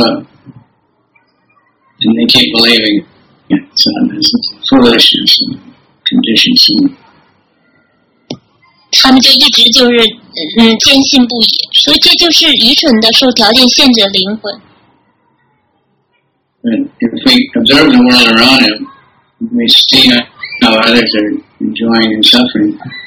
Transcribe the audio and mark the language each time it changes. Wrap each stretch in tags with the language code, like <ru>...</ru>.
<en>and they keep believing it's foolishness and conditions.</en> <zh>他们就一直就是坚信不疑，所以这就是愚蠢的受条件限制的灵魂。And</zh> <en>if we observe the world around him, we see how others are enjoying and suffering.</en>